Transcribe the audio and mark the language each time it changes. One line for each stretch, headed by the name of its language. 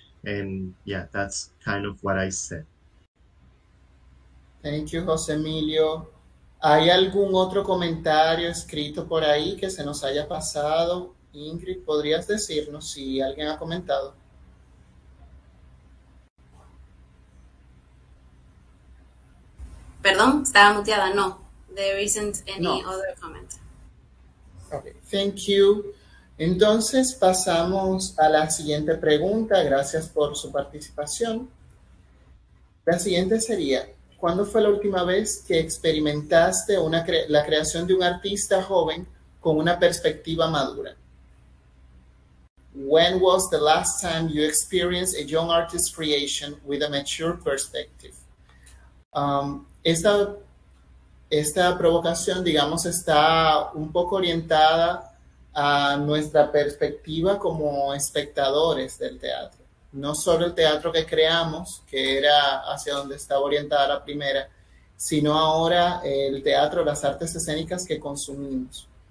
English: And yeah, that's kind of what I said. Thank you, José Emilio.
Spanish: ¿Hay algún otro comentario escrito por ahí que se nos haya pasado? Ingrid, ¿podrías decirnos si alguien ha comentado? Perdón, estaba muteada.
English: No, there isn't any other comment. Okay, thank you.
Spanish: Entonces, pasamos a la siguiente pregunta. Gracias por su participación. La siguiente sería... ¿Cuándo fue la última vez que experimentaste la creación de un artista joven con una perspectiva madura?
English: When was the last time you experienced a young artist's creation with a mature perspective?
Spanish: Esta provocación, digamos, está un poco orientada a nuestra perspectiva como espectadores del teatro. No solo el teatro que creamos, que era hacia donde estaba orientada la primera, sino ahora el teatro, las artes escénicas que consumimos.